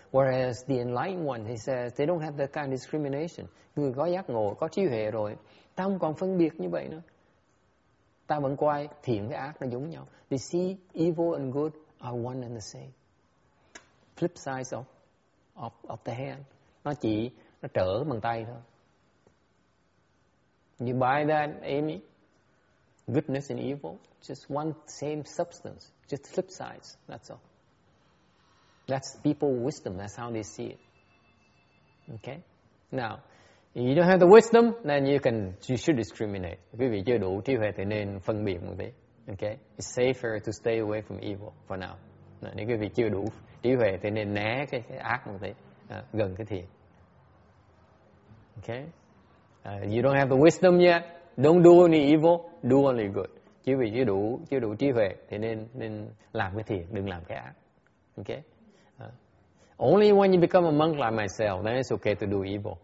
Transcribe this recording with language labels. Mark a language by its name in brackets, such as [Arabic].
[English] Whereas the enlightened one, he says they don't have that kind of discrimination. [Vietnamese] Người có giác ngộ, có trí huệ rồi, tao không còn phân biệt như vậy nữa. Tao vẫn coi thiện với ác nó giống nhau. [English] They see evil and good are one and the same. Flip side though. Of the hand. [Vietnamese] Nó trở bằng tay thôi. [English] You buy that, Amy? Goodness and evil? Just one same substance. Just flip sides. That's all. That's people's wisdom. That's how they see it. Okay. Now, if you don't have the wisdom, then you should discriminate. [Vietnamese] Quý vị chưa đủ trí huệ thì nên phân biệt một tí. [English] Okay. It's safer to stay away from evil for now. [Vietnamese] Nếu quý vị chưa đủ trí huệ thì nên né cái ác một tí, gần cái thiện. [English] Okay. You don't have the wisdom yet. Don't do any evil. Do only good. [Vietnamese] Quý vị chưa đủ trí huệ thì nên làm cái thiện, đừng làm cái ác. [English] Okay. Only when you become a monk like myself, then it's okay to do evil.